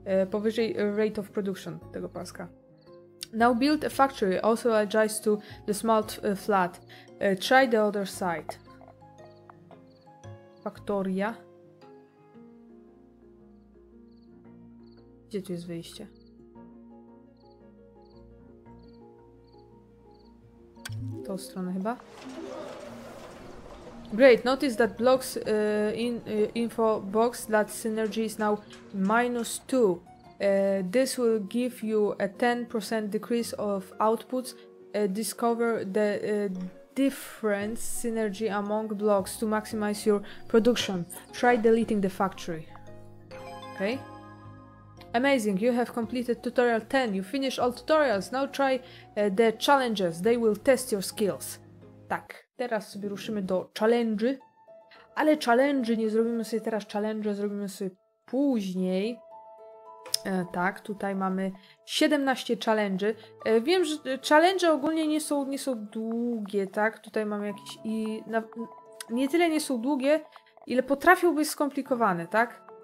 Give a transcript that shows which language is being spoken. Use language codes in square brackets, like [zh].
[pl] Powyżej rate of production tego paska. [en] Now build a factory also adjacent to the small flat. Try the other side. [pl] Faktoria. Gdzie tu jest wyjście? Tą stronę chyba. [en] Great, notice that blocks info box that synergy is now -2. This will give you a 10% decrease of outputs. Discover the difference synergy among blocks to maximize your production. Try deleting the factory. Okay. Amazing, you have completed tutorial 10. You finish all tutorials. Now try the challenges. They will test your skills. [pl] Tak, teraz sobie ruszymy do challenge. Ale challenge, nie zrobimy sobie teraz challenge, zrobimy sobie później. Tak, tutaj mamy 17 challenge. Wiem, że challenge ogólnie nie są długie, tak? Tutaj mamy jakieś i nie tyle nie są długie, ile potrafią być skomplikowane, tak?